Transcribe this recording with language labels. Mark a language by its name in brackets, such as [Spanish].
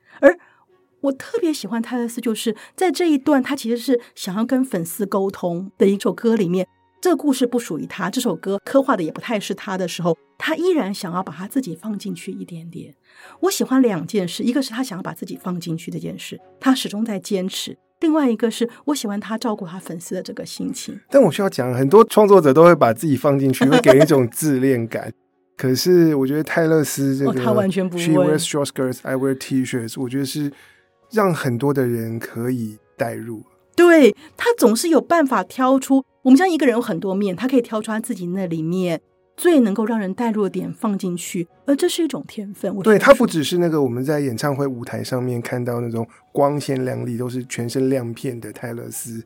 [Chinese] 而我特别喜欢泰勒斯，就是在这一段他其实是想要跟粉丝沟通的一首歌里面，这个故事不属于他，这首歌刻画的也不太是他的时候，他依然想要把他自己放进去一点点。我喜欢两件事，一个是他想要把自己放进去这件事，他始终在坚持，另外一个是我喜欢他照顾他粉丝的这个心情。但我需要讲，很多创作者都会把自己放进去，会给人一种自恋感。可是我觉得泰勒斯这个，哦，他完全不会。 [English] She wears short skirts, I wear T-shirts， [Chinese] 我觉得是让很多的人可以带入。对，他总是有办法挑出，我们像一个人有很多面，他可以挑出他自己那里面最能够让人带入的点放进去，而这是一种天分。对，他不只是那个我们在演唱会舞台上面看到那种光鲜亮丽都是全身亮片的泰勒斯，